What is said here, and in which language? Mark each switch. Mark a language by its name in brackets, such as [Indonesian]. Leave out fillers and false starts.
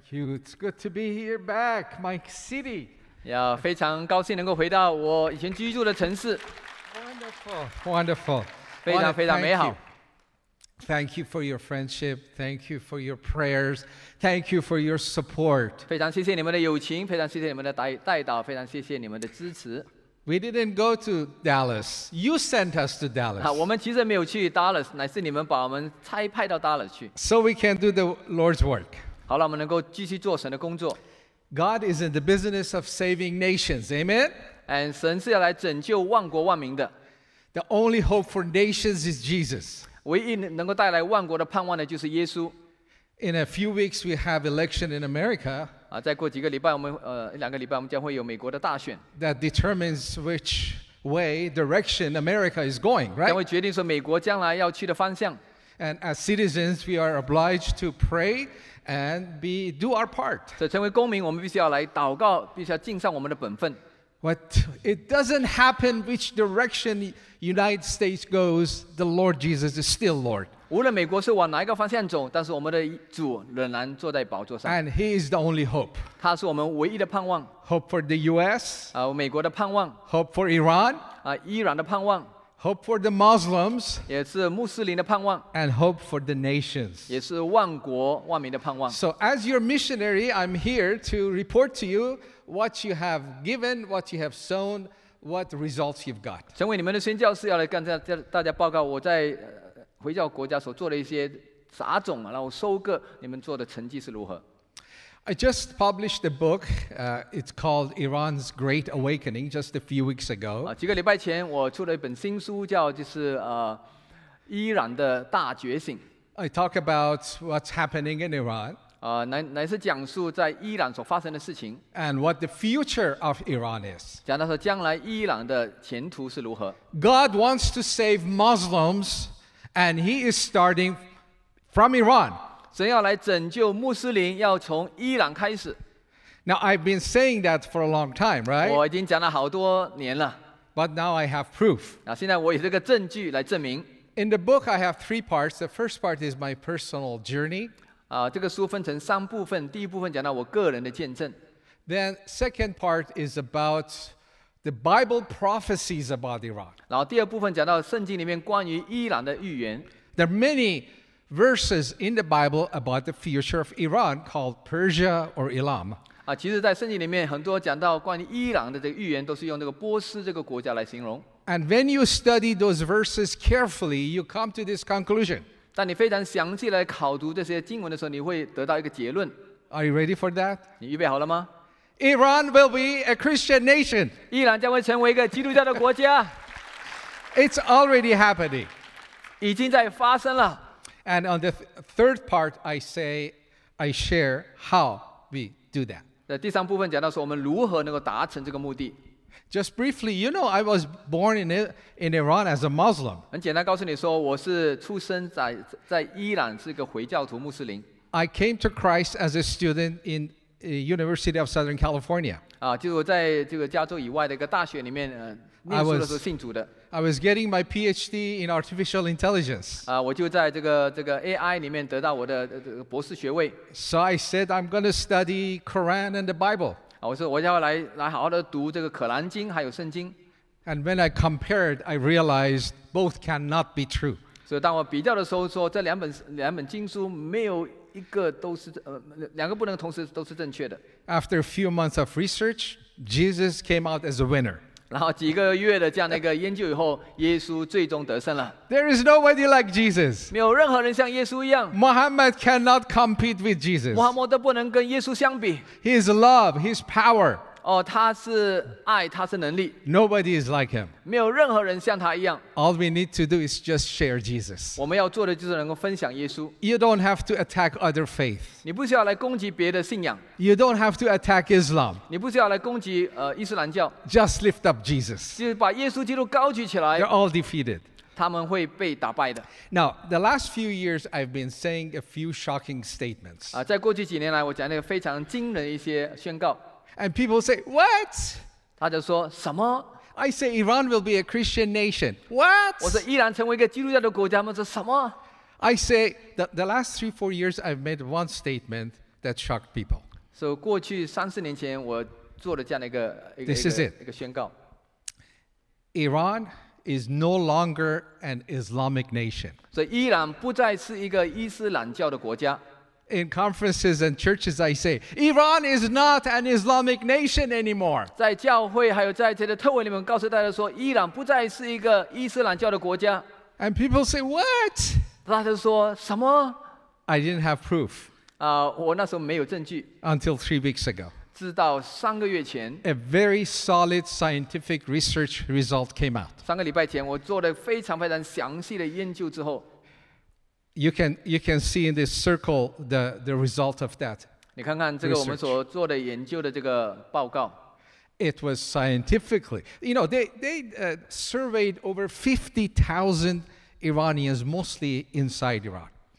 [English] Hugh, it's good to be here back, my city. [Chinese] Yeah, 非常高兴能够回到我以前居住的城市。 [English] Wonderful, wonderful. [Chinese] 非常非常美好。 [English] Thank you for your friendship. Thank you for your prayers. Thank you for your support. [Chinese] 非常谢谢你们的友情，非常谢谢你们的带导，非常谢谢你们的支持。 [English] We didn't go to Dallas. You sent us to Dallas. [Chinese] 我们其实没有去 Dallas， 乃是你们把我们差派到 Dallas 去。 [English] So we can do the Lord's work. [Chinese] 好了，我们能够继续做神的工作。 [English] God is in the business of saving nations. Amen. [Chinese] And 神是要来拯救万国万民的。 [English] The only hope for nations is Jesus. [Chinese] 唯一能够带来万国的盼望的就是耶稣。 [English] In a few weeks, we have election in America. [Chinese] 再过几个礼拜，我们两个礼拜，我们将会有美国的大选。 [English] That determines which way direction America is going, right? [Chinese] 将会决定说美国将来要去的方向。 [English] And as citizens, we are obliged to pray and be do our part. [Chinese] 所以成为公民，我们必须要来祷告，必须要尽上我们的本分。 [English] But it doesn't happen which direction United States goes. The Lord Jesus is still Lord. [Chinese] 无论美国是往哪一个方向走，但是我们的主仍然坐在宝座上。 [English] And He is the only hope. [Chinese] 他是我们唯一的盼望。 [English] Hope for the U.S. [Chinese] 美国的盼望。 [English] Hope for Iran. [Chinese] 伊朗的盼望。 [English] Hope for the Muslims. [Chinese] 也是穆斯林的盼望。 [English] And hope for the nations. [Chinese] 也是万国万民的盼望。 [English] So as your missionary, I'm here to report to you. What you have given, what you have sown, what results you've got. [Chinese] 成为你们的宣教士，要来跟大家报告我在回教国家所做的一些杂种，然后收割你们做的成绩是如何。 [English] I just published a book. It's called Iran's Great Awakening. Just a few weeks ago. [Chinese] 几个礼拜前，我出了一本新书，叫就是伊朗的大觉醒。 [English] I talk about what's happening in Iran. [Chinese] 乃是讲述在伊朗所发生的事情。 [English] And what the future of Iran is. [Chinese] 讲到说将来伊朗的前途是如何。 [English] God wants to save Muslims, and He is starting from Iran. [Chinese] 神要来拯救穆斯林，要从伊朗开始。 [English] Now I've been saying that for a long time, right? [Chinese] 我已经讲了好多年了。 [English] But now I have proof. [Chinese] 现在我有这个证据来证明。 [English] In the book, I have three parts. The first part is my personal journey. [Chinese] 这个书分成三部分，第一部分讲到我个人的见证。 [English] Then second part is about the Bible prophecies about Iran. [Chinese] 然后第二部分讲到圣经里面关于伊朗的预言。 [English] There are many verses in the Bible about the future of Iran called Persia or Elam. [Chinese] 其实在圣经里面很多讲到关于伊朗的这个预言，都是用这个波斯这个国家来形容。 [English] And when you study those verses carefully, you come to this conclusion. [Chinese] 当你非常详细来考读这些经文的时候，你会得到一个结论。 [English] Are you ready for that? [Chinese] 你预备好了吗？ [English] Iran will be a Christian nation. [Chinese] 伊朗将会成为一个基督教的国家。 [English] It's already happening. [Chinese] 已经在发生了。 [English] And on the third part, I share how we do that. [Chinese] 在第三部分讲到说我们如何能够达成这个目的。 [English] Just briefly, you know, I was born in Iran as a Muslim. [Chinese] 很简单告诉你说，我是出生在伊朗，是个回教徒穆斯林。 [English] I came to Christ as a student in University of Southern California. [Chinese] 就是我在这个加州以外的一个大学里面，念书的时候信主的。 [English] I was getting my PhD in artificial intelligence. [Chinese] 我就在这个 AI 里面得到我的博士学位。 [English] So I said I'm going to study Quran and the Bible. [Chinese] 我说我要来好好的读这个《可兰经》还有《圣经》。 [English] And when I compared, I realized both cannot be true. [Chinese] 所以当我比较的时候说，这两本经书没有一个都是两个不能同时都是正确的。 [English] After a few months of research, Jesus came out as a winner. [Chinese] 然后几个月的这样的一个研究以后，耶稣最终得胜了。 [English] There is nobody like Jesus. [Chinese] 没有任何人像耶稣一样。 [English] Muhammad cannot compete with Jesus. [Chinese] 穆罕默德不能跟耶稣相比。 [English] His love, his power. [Chinese] 他是爱，他是能力。 [English] Nobody is like him. [Chinese] 没有任何人像他一样。 [English] All we need to do is just share Jesus. [Chinese] 我们要做的就是能够分享耶稣。 [English] You don't have to attack other faith. [Chinese] 你不需要来攻击别的信仰。 [English] You don't have to attack Islam. [Chinese] 你不需要来攻击伊斯兰教。 [English] Just lift up Jesus. [Chinese] 就把耶稣基督高举起来。 [English] They're all defeated. [Chinese] 他们会被打败的。 [English] Now, the last few years, I've been saying a few shocking statements. [Chinese] 在过去几年来，我讲那个非常惊人的一些宣告。 [English] And people say, "What?" [Chinese] 他就说什么 [English] ？I say Iran will be a Christian nation. What? [Chinese] 我说伊朗成为一个基督教的国家吗？这什么 [English] ？I say the last three four years I've made one statement. that shocked people. [Chinese] So 过去三四年前我做了这样的一个 [English] This is it. [Chinese] 一个宣告。 [English] Iran is no longer an Islamic nation. [Chinese] 所以伊朗不再是一个伊斯兰教的国家。 [English] In conferences and churches, I say, Iran is not an Islamic nation anymore. [Chinese] 在教会还有在这个特会里面告诉大家说，伊朗不再是一个伊斯兰教的国家。 [English] And people say, what? [Chinese] 大家说什么？ [English] I didn't have proof. [Chinese] 我那时候没有证据。 [English] Until 3 weeks ago. [Chinese] 直到三个月前。 [English] A very solid scientific research result came out. [Chinese] 三个礼拜前，我做了非常非常详细的研究之后。 [English] You can see in this circle the result of that. [Chinese] 你看看这个我们所做的研究的这个报告。 [English] It was scientifically, you know, they surveyed over 50,000 Iranians, mostly inside Iran.